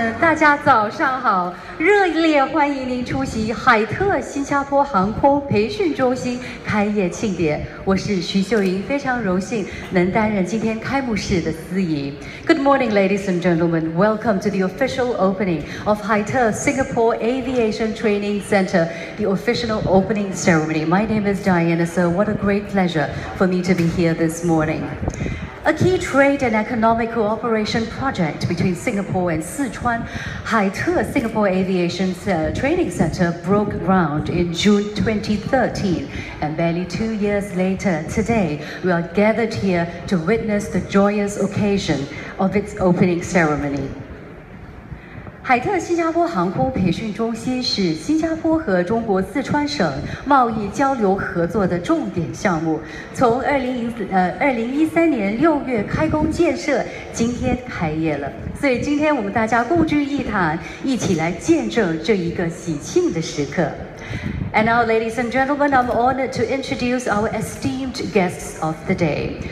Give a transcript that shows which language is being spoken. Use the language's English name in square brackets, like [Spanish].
[Chinese] 大家早上好，热烈欢迎您出席海特新加坡航空培训中心开业庆典。我是徐秀莹，非常荣幸能担任今天开幕式的司仪。 [English] Good morning, ladies and gentlemen. Welcome to the official opening of Haite Singapore Aviation Training Center, the official opening ceremony. My name is Diana, so what a great pleasure for me to be here this morning. A key trade and economic cooperation project between Singapore and Sichuan, Haite Singapore Aviation Training Center broke ground in June 2013. And barely 2 years later, today, we are gathered here to witness the joyous occasion of its opening ceremony. [Chinese] 海特新加坡航空培训中心是新加坡和中国四川省贸易交流合作的重点项目，从2013年6月开工建设，今天开业了。所以今天我们大家共聚一堂，一起来见证这一个喜庆的时刻。 [English] And now, ladies and gentlemen, I'm honored to introduce our esteemed guests of the day.